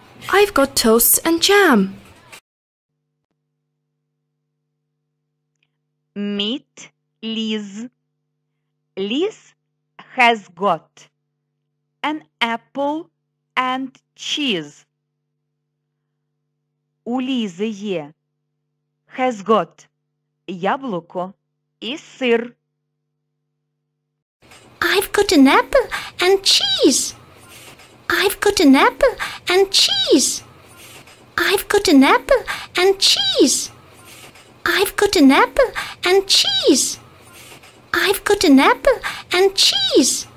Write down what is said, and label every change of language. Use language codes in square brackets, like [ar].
[en] I've got toasts and jam. Meet Liz. Liz has got an apple and cheese. [uk] У Лізи є. [en] Has got [uk] яблуко і сир. [en] I've got an apple and cheese. I've got an apple and cheese. I've got an apple and cheese. I've got an apple and cheese. I've got an apple and cheese.